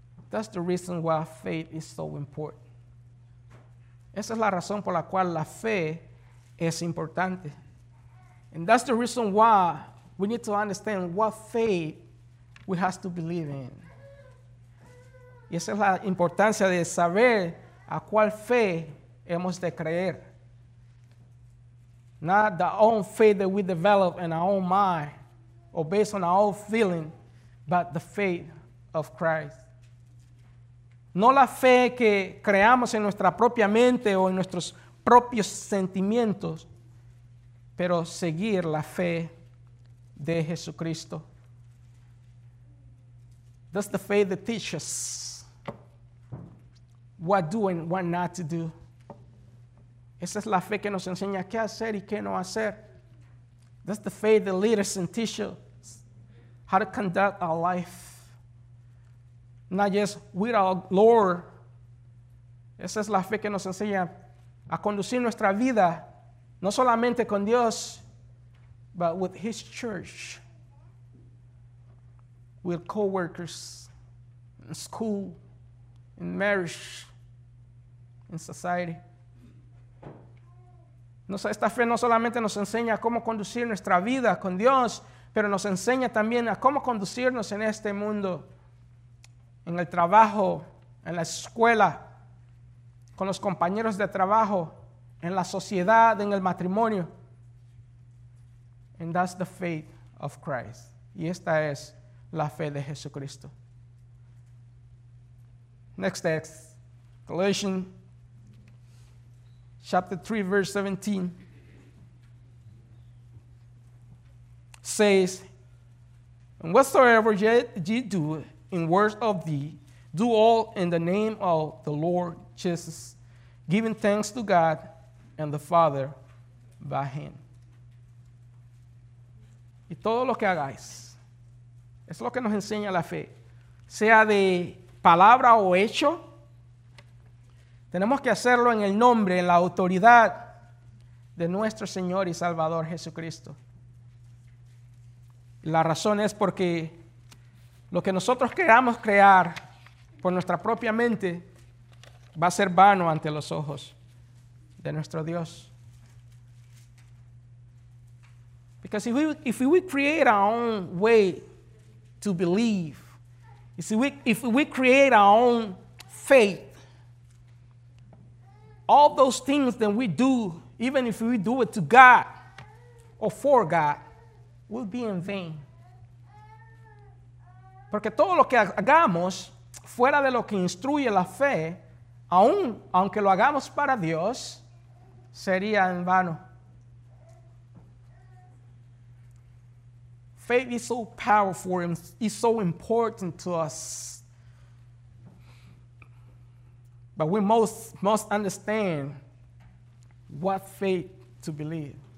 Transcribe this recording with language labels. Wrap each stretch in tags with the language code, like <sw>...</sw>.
<en>That's the reason why faith is so important.</en> <es>Esa es la razón por la cual la fe es importante.</es> <en>And that's the reason why we need to understand what faith we have to believe in.</en> <es>Y esa es la importancia de saber a cuál fe hemos de creer.</es> <en>Not the own faith that we develop in our own mind or based on our own feeling, but the faith of Christ.</en> <es>No la fe que creamos en nuestra propia mente o en nuestros propios sentimientos, pero seguir la fe de Jesucristo.</es> <en>That's the faith that teaches what to do and what not to do.</en> <es>Esa es la fe que nos enseña qué hacer y qué no hacer.</es> <en>That's the faith that leads and teaches how to conduct our life. Not just with our Lord.</en> <es>Esa es la fe que nos enseña a conducir nuestra vida, no solamente con Dios,</es> <en>but with his church, with co-workers, in school, in marriage, in society.</en> <es>Esta fe no solamente nos enseña cómo conducir nuestra vida con Dios, pero nos enseña también a cómo conducirnos en este mundo. En el trabajo, en la escuela, con los compañeros de trabajo, en la sociedad, en el matrimonio,</es> <en>And that's the faith of Christ.</en> <es>Y esta es la fe de Jesucristo.</es> <en>Next text, Galatians chapter 3, verse 17. Says, and whatsoever ye do in words of thee, do all in the name of the Lord Jesus, giving thanks to God and the Father by him.</en> <es>Y todo lo que hagáis, es lo que nos enseña la fe, sea de palabra o hecho, tenemos que hacerlo en el nombre, en la autoridad de nuestro Señor y Salvador Jesucristo. La razón es porque lo que nosotros queramos crear por nuestra propia mente va a ser vano ante los ojos de nuestro Dios.</es> <en>Because if we create our own way to believe, if we create our own faith, all those things that we do, even if we do it to God or for God, will be in vain.</en> <es>Porque todo lo que hagamos fuera de lo que instruye la fe, aun aunque lo hagamos para Dios, sería en vano.</es> <en>Faith is so powerful and is so important to us. But we must understand what faith to believe.</en>